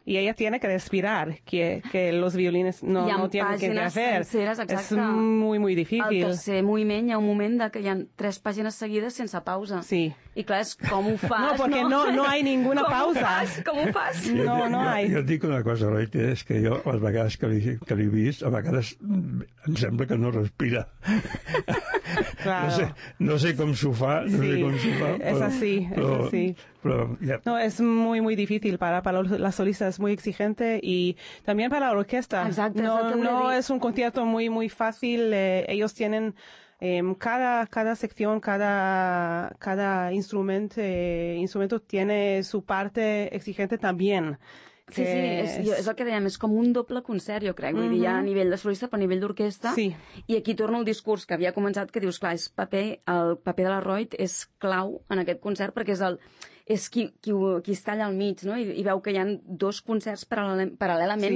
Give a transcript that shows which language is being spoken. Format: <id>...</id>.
<es>I ella tiene que respirar, que los violines no tienen que hacer.</es> <ca>Hi ha pàgines senceres, exacte.</ca> <es>És muy, muy difícil.</es> <ca>El tercer moviment, hi ha un moment que hi ha 3 pàgines seguides sense pausa. Sí. I clar, és com ho fas, no? No, perquè no hi ha ninguna pausa. Com ho fas? No hi ha. Jo et dic una cosa, Roig, és que jo, les vegades que l'he vist, a vegades em sembla que no respira.</ca> <es>Claro.</es> <ca>No sé com s'ho fa, és així. Yeah.</ca> <es>No, es muy, muy difícil para la solista, es muy exigente, y también para la orquesta. Exacto, no es un concierto muy, muy fácil. Ellos tienen cada sección, cada instrumento tiene su parte exigente también.</es> <ca>És el que dèiem, és com un doble concert, jo crec. Vull dir, ja a nivell de solista, però a nivell d'orquestra. Sí. I aquí torna el discurs que havia començat, que dius, clar, el paper de la Roig és clau en aquest concert, perquè és qui està allà al mig, no? I veu que hi ha 2 concerts paral·lelament,</ca>